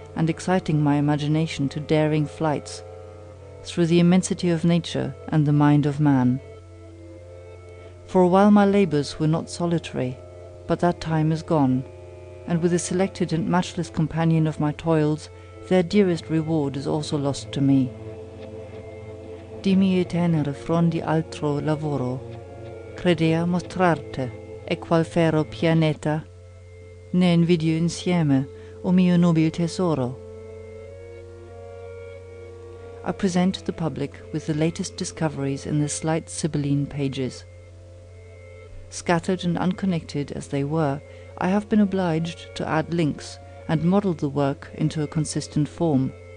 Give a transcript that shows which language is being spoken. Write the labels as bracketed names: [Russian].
[English] and exciting my imagination to daring flights through the immensity of nature and the mind of man. For a while my labors were not solitary, but that time is gone, and with a selected and matchless companion of my toils, their dearest reward is also lost to me. [Italian] Dimmi e tenere frondi altro lavoro, credea mostrarte, e qual fero pianeta, ne invidio insieme, o mio nobile tesoro. [English] I present the public with the latest discoveries in the slight Sibylline pages. Scattered and unconnected as they were, I have been obliged to add links and model the work into a consistent form.